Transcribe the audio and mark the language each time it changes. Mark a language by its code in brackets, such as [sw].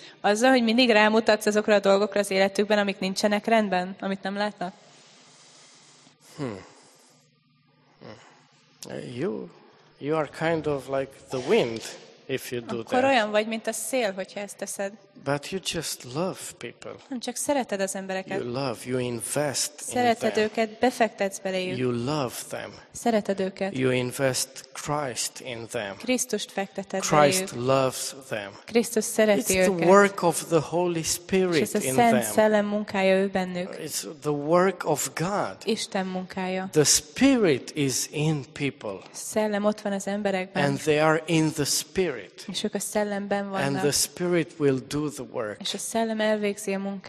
[hu] Azzal, hogy mindig rámutatsz azokra a dolgokra az életükben, amik nincsenek rendben, amit nem látnak. [en] You are kind of like the wind if you do that. [hu] Olyan vagy, mint a szél, hogyha ezt teszed. [en] But you just love people. [hu] Nem csak szereted az embereket. [en] You love, you invest in them. [hu] Szereted őket, befektetsz beléjük. [en] You love them. [hu] Szereted őket. [en] You invest Christ in them. [hu] Krisztust fektetsz beléjük. [en] Christ loves them. [hu] Krisztus szereti őket. [en] It's the work of the Holy Spirit in them. [hu] És a Szent Szellem munkája ő bennük. [en] It's the work of God. [hu] Isten munkája. [en] The Spirit is in people. [hu] Szellem ott van az emberekben. [en] And they are in the Spirit. [hu] És ők a Szellemben vannak. [en] And the Spirit will do the work. [hu] És a Szellem elvégzi a munkát.